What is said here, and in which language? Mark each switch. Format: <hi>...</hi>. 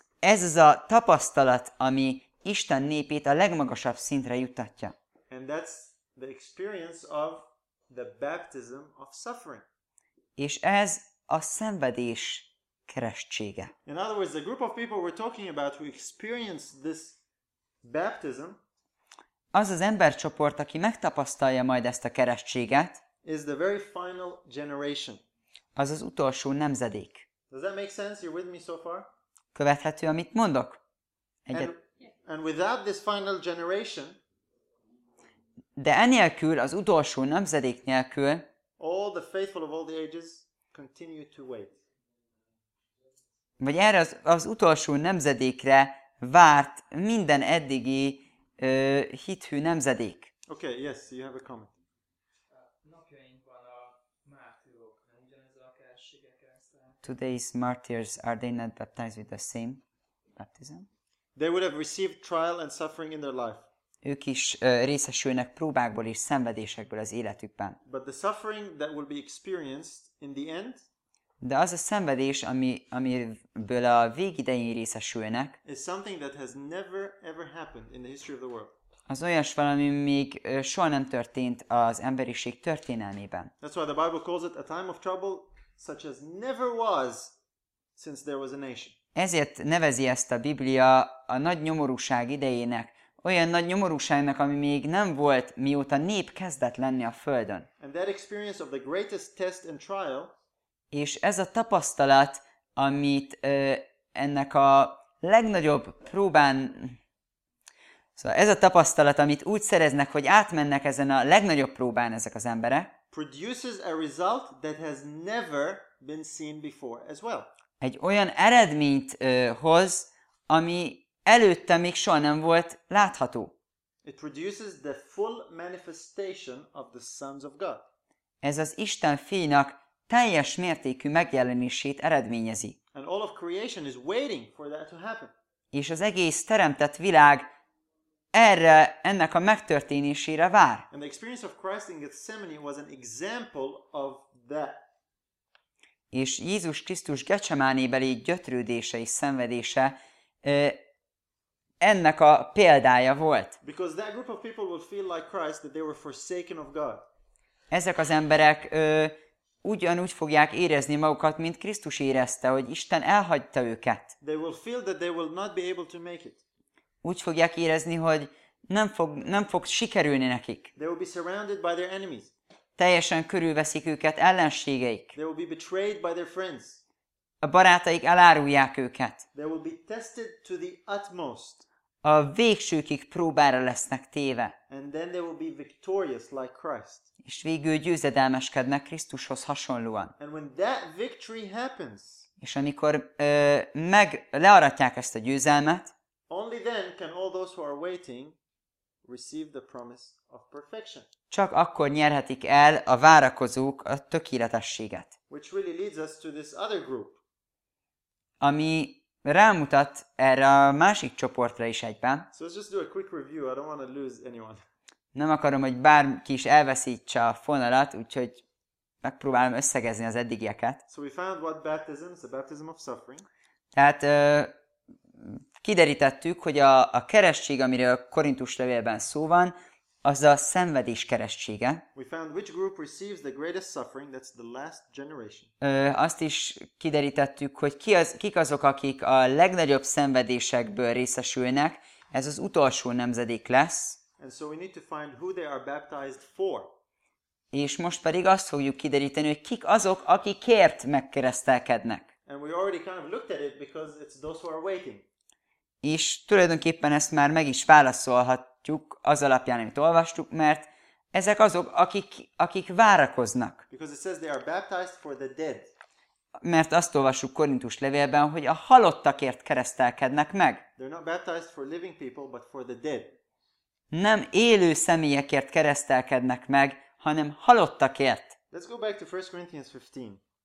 <hu>Ez az a tapasztalat, ami Isten népét a legmagasabb szintre juttatja.</hu> <en>And that's the experience of the baptism of suffering.</en> <hu>És ez a szenvedés keresztsége.</hu> <en>In other words, the group of people we're talking about who experienced this baptism,</en> <hu>az az embercsoport, aki megtapasztalja majd ezt a keresztséget,</hu> <en>is the very final generation.</en> <hu>Az az utolsó nemzedék.</hu> <en>Does that make sense? You're with me so far?</en> <hu>Követhető, amit mondok?</hu> <en>And without this final generation,</en> <hu>de enélkül, az utolsó nemzedék nélkül,</hu> <en>all the faithful of all the ages continue to wait.</en> <hu>Vagy erre az utolsó nemzedékre várt minden eddigi hithű nemzedék.</hu> <en>Okay, yes, you have a comment.</en> <hu>Napjainkban a mártírok nem ugyanez a keresztségekre.</hu> <en>Today's martyrs, are they not baptized with the same baptism? They would have received trial and suffering in their life.</en> <hu>Ők is részesülnek próbákból és szenvedésekből az életükben.</hu> <en>But the suffering that will be experienced in the end,</en> <hu>de az a szenvedés, amiből a végidején részesülnek,</hu> <en>is something that has never ever happened in the history of the world.</en> <hu>Az olyas valami, még soha nem történt az emberiség történelmében.</hu> <en>That's why the Bible calls it a time of trouble such as never was since there was a nation.</en> <hu>Ezért nevezi ezt a Biblia a nagy nyomorúság idejének, olyan nagy nyomorúságnak, ami még nem volt, mióta nép kezdett lenni a Földön.</hu> <en>And that experience of the greatest test and trial,</en> <hu>és ez a tapasztalat, amit ennek a legnagyobb próbán, szóval ez a tapasztalat, amit úgy szereznek, hogy átmennek ezen a legnagyobb próbán ezek az emberek,</hu> <en>produces a result that has never been seen before as well.</en> <hu>Egy olyan eredményt hoz, ami előtte még soha nem volt látható.</hu> <en>It produces the full manifestation of the sons of God.</en> <hu>Ez az Isten fiainak teljes mértékű megjelenését eredményezi.</hu> <en>And all of creation is waiting for that to happen.</en> <hu>És az egész teremtett világ erre, ennek a megtörténésére vár.</hu> <en>And the experience of Christ in Gethsemane was an example of that.</en> <hu>És Jézus Krisztus Getsemánébeli gyötrődése és szenvedése ennek a példája volt.</hu> <en>Because that group of people would feel like Christ, that they were forsaken of God.</en> <hu>Ezek az emberek ugyanúgy fogják érezni magukat, mint Krisztus érezte, hogy Isten elhagyta őket.</hu> <en>They will feel that they will not be able to make it.</en> <hu>Úgy fogják érezni, hogy nem fog sikerülni nekik.</hu> <en>They will be surrounded by their enemies.</en> <hu>Teljesen körülveszik őket ellenségeik.</hu> <en>They will be betrayed by their friends.</en> <hu>A barátaik elárulják őket.</hu> <en>They will be tested to the utmost.</en> <hu>A végsőkig próbára lesznek téve.</hu> <en>And then they will be victorious like Christ.</en> <hu>És végül győzedelmeskednek Krisztushoz hasonlóan.</hu> <en>And when that victory happens,</en> <hu>és amikor meg learatják ezt a győzelmet,</hu> <en>only then can all those who are waiting receive the promise of perfection.</en> <hu>Csak akkor nyerhetik el a várakozók a tökéletességet.</hu> <en>Which really leads us to this other group.</en> <hu>Ami rámutat erre a másik csoportra is egyben.</hu> <en>So let's just do a quick review. I don't want to lose anyone.</en> <hu>Nem akarom, hogy bárki is elveszítse a fonalat, úgyhogy megpróbálom összegezni az eddigieket.</hu> <en>So we found what baptism is, a baptism of suffering.</en> <hu>Tehát kiderítettük, hogy a keresztség, amire a Korintus levélben szó van, az a szenvedés keresztsége.</hu> <en>We found which group receives the greatest suffering, that's the last generation.</en> <hu>Azt is kiderítettük, hogy kik azok, akik a legnagyobb szenvedésekből részesülnek, ez az utolsó nemzedék lesz.</hu> <en>And so we need to find who they are baptized for.</en> <hu>És most pedig azt fogjuk kideríteni, hogy kik azok, akikért megkeresztelkednek.</hu> <en>And we already kind of looked at it because it's those who are waiting.</en> <hu>És tulajdonképpen ezt már meg is válaszolhatjuk az alapján, amit olvastuk, mert ezek azok, akik várakoznak.</hu> <en>Because it says they are baptized for the dead.</en> <hu>Mert azt olvassuk Korintus levélben, hogy a halottakért keresztelkednek meg.</hu> <en>They're not baptized for living people, but for the dead.</en> <hu>Nem élő személyekért keresztelkednek meg, hanem halottakért.</hu> <en>Let's go back to 1 Corinthians 15.</en>